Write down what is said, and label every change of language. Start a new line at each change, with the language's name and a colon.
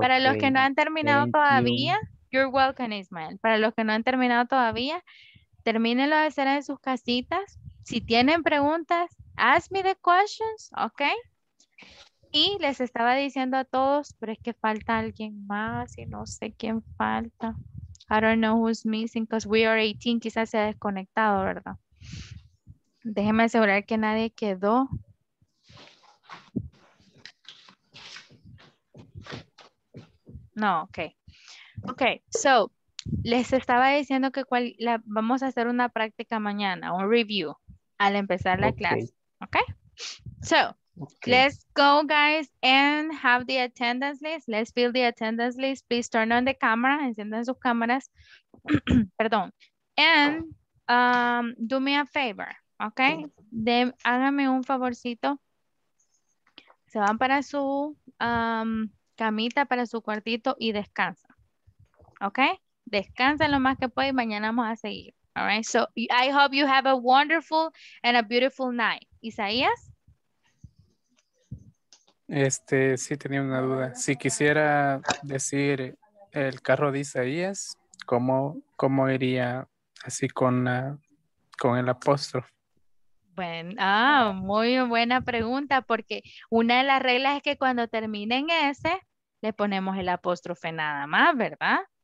Spanish: Para los que no han terminado Thank todavía,
English: you're welcome,
Spanish: Ismael. Para los que no han terminado todavía, termínenlo de hacer en sus casitas. Si tienen preguntas,
English: ask me the questions,
Spanish: ¿ok? Y les estaba diciendo a todos, pero es que falta alguien más y no sé quién falta.
English: I don't know who's missing because we are 18.
Spanish: Quizás se ha desconectado, ¿verdad? Déjenme asegurar que nadie quedó. No, ok. Ok, so, les estaba diciendo que vamos a hacer una práctica mañana, un review, al empezar la clase.
English: Ok. So, let's go, guys, and have the attendance list. Let's fill the attendance list. Please turn on the camera,
Spanish: encienden sus cámaras. Perdón.
English: And do me a favor, ok.
Spanish: Háganme un favorcito. Se van para su camita para su cuartito y descansa. ¿Ok? Descansa lo más que puede y mañana vamos a seguir.
English: All right, so I hope you have a wonderful and a beautiful night.
Spanish: Isaías? Sí, tenía una duda. Si quisiera decir el carro de Isaías, ¿cómo iría así con el apóstrofe? Bueno, muy buena pregunta, porque una de las reglas es que cuando terminen ese, le ponemos el apóstrofe nada más, ¿verdad?